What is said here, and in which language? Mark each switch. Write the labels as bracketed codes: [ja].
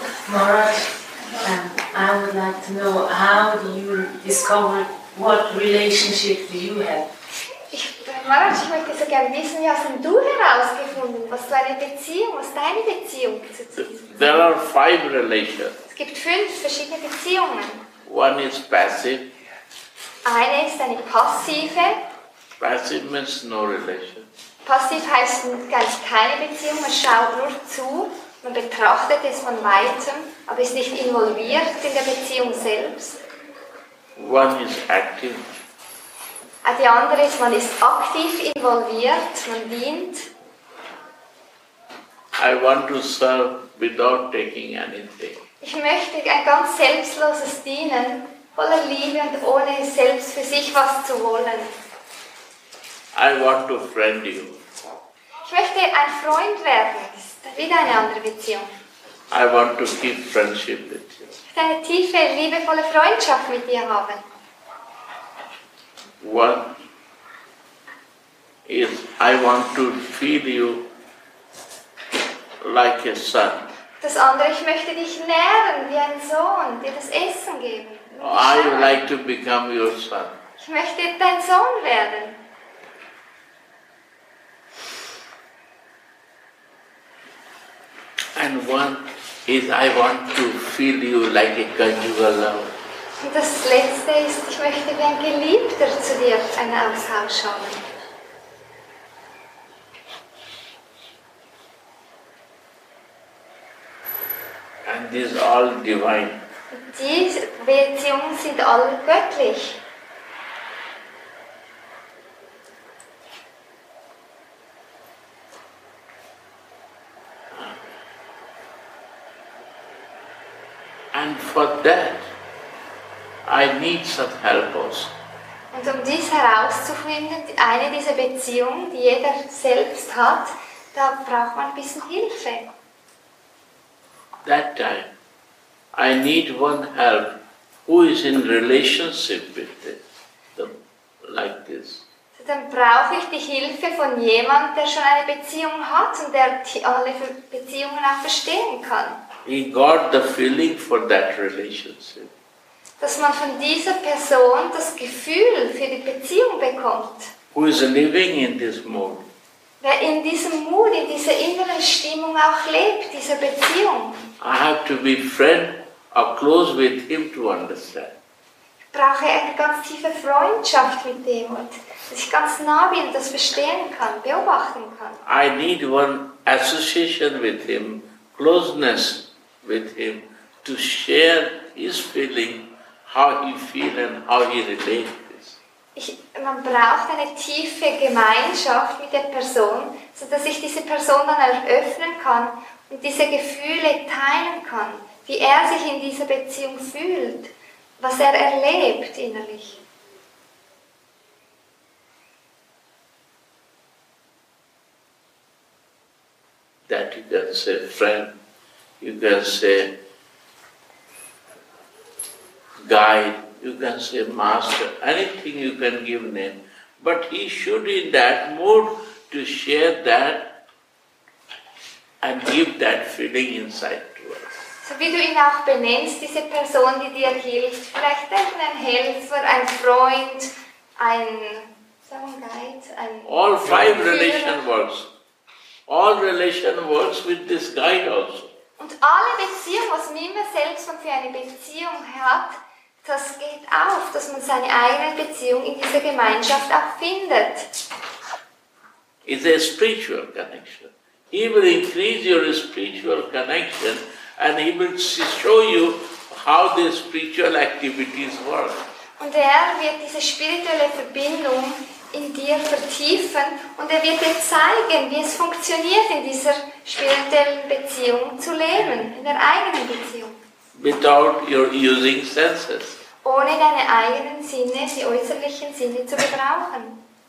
[en] Maharaj, I would like to know how do you discover what relationship do you have? [de] Maharaj, ich möchte so gerne wissen, wie hast denn du herausgefunden, was deine Beziehung, was deine Beziehung zu diesem? [en] There are five relations. [de] Es gibt fünf verschiedene Beziehungen. [en] One is passive. [de] Eine ist eine passive. [en] Passive means no relation. [de] Passiv heißt ganz keine Beziehung, man schaut nur zu, man betrachtet es von Weitem, aber ist nicht involviert in der Beziehung selbst. [en] One is active. [de] Die andere ist, man ist aktiv involviert, man dient. [en] I want to serve without taking anything. [de] Ich möchte ein ganz selbstloses Dienen, voller Liebe und ohne selbst für sich was zu wollen. [en] I want to friend you. [de] Ich möchte ein Freund werden, das ist wieder eine andere Beziehung. [en] I want to keep friendship with you. [de] Ich möchte eine tiefe, liebevolle Freundschaft mit dir haben. [en] What is I want to feel you like a son. [de] Das andere, ich möchte dich nähren wie ein Sohn, dir das Essen geben. [en] I would like to become your son. [de] Ich möchte dein Sohn werden. [en] And one is I want to feel you like a conjugal love. [de] Und das Letzte ist, ich möchte wie ein Geliebter zu dir einen Austausch schauen. [en] And this all divine. [de] Diese Beziehungen sind all göttlich. [en] And for that, I need some help also. [de] Und um dies herauszufinden, eine dieser Beziehungen, die jeder selbst hat, da braucht man ein bisschen Hilfe. [en] That time, I need one help, who is in relationship with this, like this. [de] So dann brauche ich die Hilfe von jemand, der schon eine Beziehung hat und der alle Beziehungen auch verstehen kann. [en] He got the feeling for that relationship. [de] Dass man von dieser Person das Gefühl für die Beziehung bekommt. [en] Who is living in this mood? [de] Wer in diesem Mood, in dieser inneren Stimmung auch lebt, dieser Beziehung. [en] I have to be friend or close with him to understand. [de] Ich brauche eine ganz tiefe Freundschaft mit dem und dass ich ganz nah bin und das verstehen kann, beobachten kann. [en] I need one association with him, closeness with him, to share his feeling. How he feel and how he relates. [de] Man braucht eine tiefe Gemeinschaft mit der Person, sodass ich diese Person dann eröffnen kann und diese Gefühle teilen kann, wie er sich in dieser Beziehung fühlt, was er erlebt innerlich. [en] That you can say friend, you can say guide, you can say master, anything you can give name, but he should in that mood to share that and give that feeling inside to us. [de] So wie du ihn auch benennst, diese Person, die dir hilft, vielleicht ein Helfer, ein Freund, ein Guide, ein [en] all five relation words. All relation works with this guide also. [de] Und alle Beziehungen, was man immer selbst für eine Beziehung hat, das geht auf, dass man seine eigene Beziehung in dieser Gemeinschaft auch findet. [en] It's a spiritual connection. He will increase your spiritual connection and he will show you how the spiritual activities work. [de] Und er wird diese spirituelle Verbindung in dir vertiefen und er wird dir zeigen, wie es funktioniert, in dieser spirituellen Beziehung zu leben, in der eigenen Beziehung. [en] Without your using senses. [de] Ohne deine eigenen Sinne, die äußerlichen Sinne zu gebrauchen.